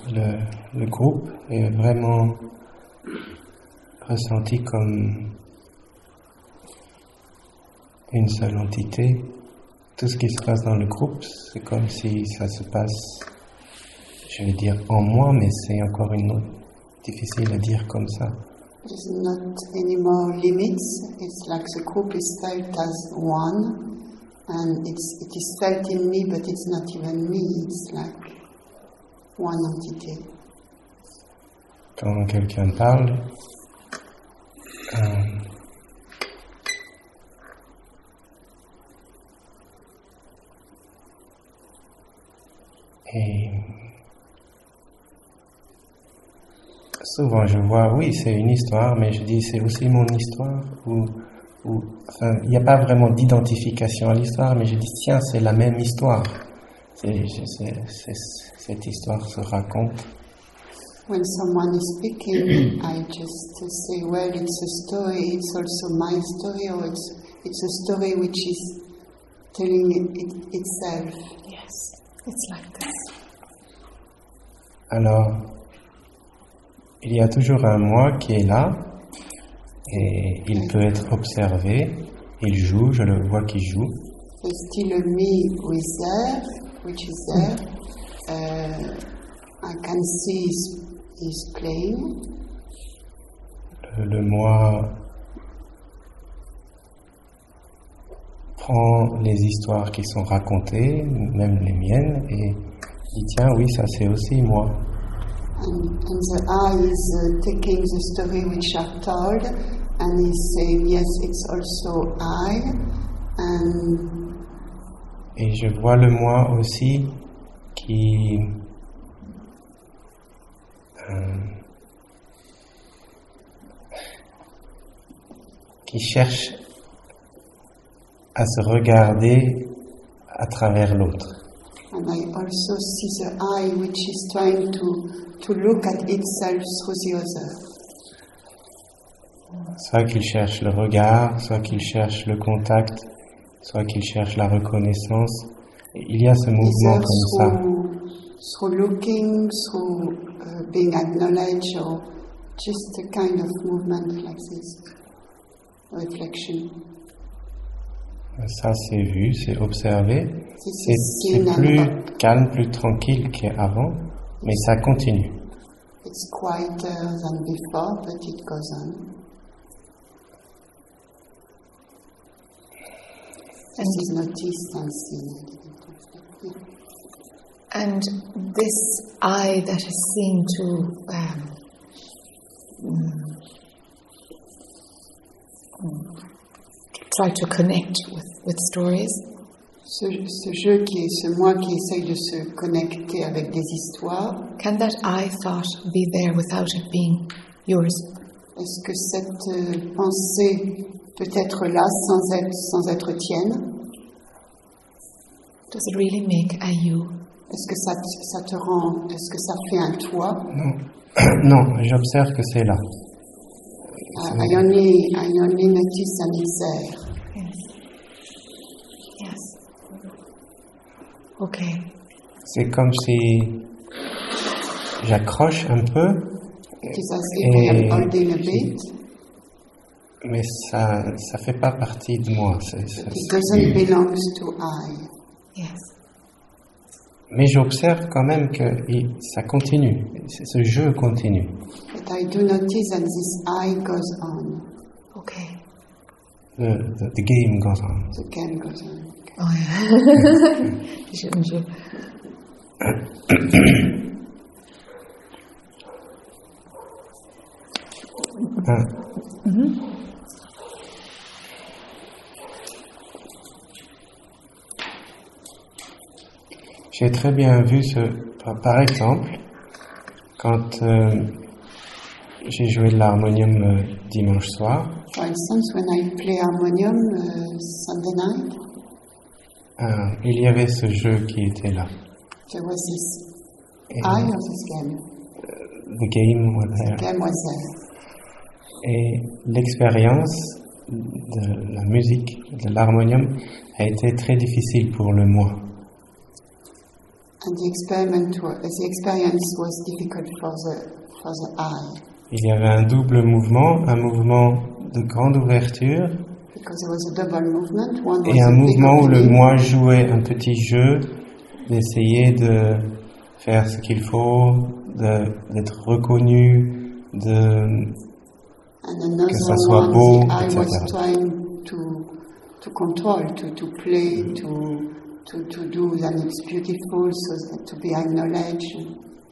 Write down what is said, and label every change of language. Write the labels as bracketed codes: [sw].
[fr] Le groupe est vraiment ressenti comme une seule entité. Tout ce qui se passe dans le groupe, c'est comme si ça se passe, je vais dire en moi, mais c'est encore une autre, difficile à dire comme ça. [en] There's not any more limits. It's like the group is felt as one, and it is felt in me, but it's not even me. It's like one entity. [fr] Quand quelqu'un parle. Et souvent je vois, oui, c'est une histoire, mais je dis, c'est aussi mon histoire. Ou, enfin, il n'y a pas vraiment d'identification à l'histoire, mais je dis, tiens, c'est la même histoire. Cette histoire se raconte. [en] When someone is speaking, I just say, well, it's a story, it's also my story, or it's a story which is telling it itself. Yes, it's like that. [fr] Alors, il y a toujours un moi qui est là, et il peut être observé, il joue, je le vois qui joue. [en] There's still a me who is there, which is there. I can see he's playing. [fr] Le moi prend les histoires qui sont racontées, même les miennes, et dit tiens, oui, ça c'est aussi moi. [en] And the I is taking the story which I've told, and he's saying, yes, it's also I. And [fr] et je vois le moi aussi qui qui cherche à se regarder à travers l'autre. [en] And I also see the eye which is trying to look at itself through the other. [fr] Soit qu'il cherche le regard, soit qu'il cherche le contact, soit qu'il cherche la reconnaissance. Et il y a ce mouvement comme [en] through, [fr] ça. [en] Through looking, through being acknowledged, or just a kind of movement like this, reflection. [fr] Ça, c'est vu, c'est observé. C'est plus calme, plus tranquille qu'avant, mais ça continue. [en] It's quieter than before, but it goes on. And it's noticed and seen. And this I that has seemed to try to connect with stories. [fr] Ce jeu qui est ce moi qui essaye de se connecter avec des histoires. [en] Can that I thought be there without it being yours? [fr] Est-ce que cette pensée peut être là sans être tienne? [en] Does it really make a you? [fr] Est-ce que ça te rend? Est-ce que ça fait un toi? Non, Non, j'observe que c'est là. [en] I only notice that it's there. Yes. Okay. [fr] C'est comme si j'accroche un peu. [en] It's as if I am holding a bit. [fr] Mais ça ne fait pas partie de moi. [en] It doesn't belong to I. Yes. [fr] Mais j'observe quand même que ça continue, ce jeu continue. [en] But I do notice that this I goes on. Okay. The game goes on. The game goes on. Oh, yeah. [fr] Je. J'ai très bien vu ce, par exemple, quand j'ai joué de l'harmonium dimanche soir. [en] For instance, when I play harmonium Sunday night. [fr] Il y avait ce jeu qui était là. [en] There was this eye of this game. The game was there. The game was there. [fr] Et l'expérience de la musique, de l'harmonium, a été très difficile pour le moi. [en] And the experience was difficult for the eye. [fr] Il y avait un double mouvement, un mouvement de grande ouverture. [en] Because there was a double movement, one [fr] et [en] was [fr] un mouvement où le moi jouait un petit jeu, d'essayer de faire ce qu'il faut, d'être reconnu, de que ça soit [en] one, [fr] beau, [en] the [fr] etc. [en] I was trying to control, to play, to do that it's beautiful, so that to be acknowledged.